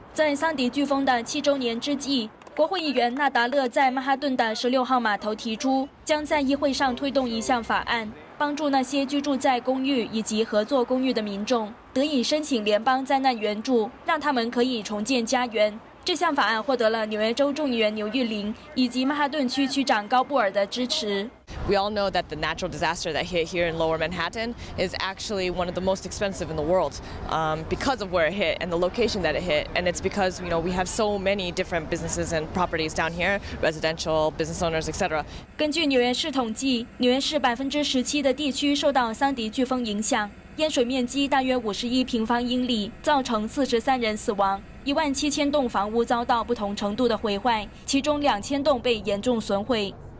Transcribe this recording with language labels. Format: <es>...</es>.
<zh>在桑迪飓风的7周年之际，国会议员纳达勒在曼哈顿的16号码头提出，将在议会上推动一项法案，帮助那些居住在公寓以及合作公寓的民众得以申请联邦灾难援助，让他们可以重建家园。这项法案获得了纽约州众议员牛玉玲以及曼哈顿区区长高布尔的支持。</zh> <en>We all know that the natural disaster that hit here in Lower Manhattan is actually one of the most expensive in the world, because of where it hit and the location that it hit, and it's because you know we have so many different businesses and properties down here, residential business owners, etc.</en> <zh>根据纽约市统计，纽约市17%的地区受到桑迪飓风影响，淹水面积大约51平方英里，造成43人死亡。 17000栋房屋遭到不同程度的毁坏，其中2000栋被严重损毁。</zh>